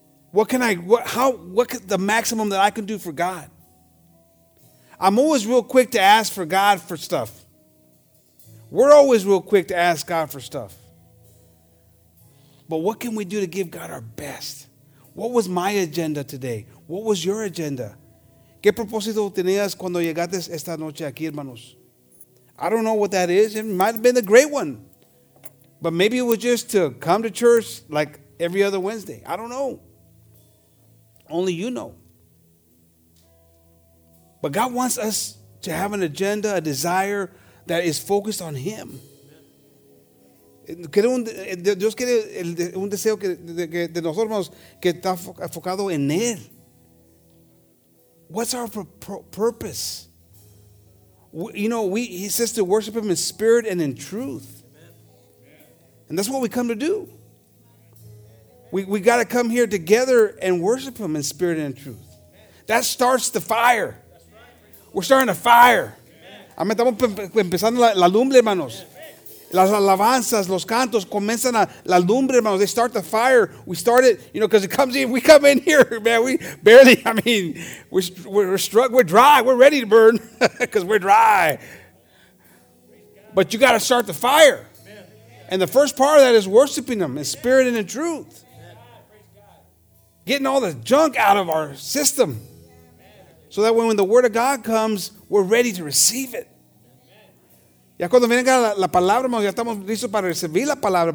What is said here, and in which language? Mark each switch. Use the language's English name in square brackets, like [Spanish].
[English] What the maximum that I can do for God? I'm always real quick to ask for God for stuff. We're always real quick to ask God for stuff. But what can we do to give God our best? What was my agenda today? What was your agenda? [Spanish] ¿Qué propósito tenías cuando llegaste esta noche aquí, hermanos? [English] I don't know what that is. It might have been a great one. But maybe it was just to come to church like every other Wednesday. I don't know. Only you know. But God wants us to have an agenda, a desire that is focused on Him. [Spanish] Dios quiere un deseo de nosotros que está enfocado en Él. [English] What's our purpose? You know, He says to worship Him in spirit and in truth. And that's what we come to do. We got to come here together and worship Him in spirit and in truth. That starts the fire. We're starting a fire. Amen. [Spanish] Estamos empezando la lumbre, hermanos. Las alabanzas, los cantos comienzan la lumbre, hermanos. [English] They start the fire. We start it, you know, because it comes in. We come in here, man. We're dry. We're ready to burn because we're dry. But you got to start the fire. And the first part of that is worshiping Him in spirit and in truth. Getting all the junk out of our system. So that when the word of God comes, we're ready to receive it. [Spanish] Ya cuando venga la palabra, hermanos, ya estamos listos para recibir la palabra.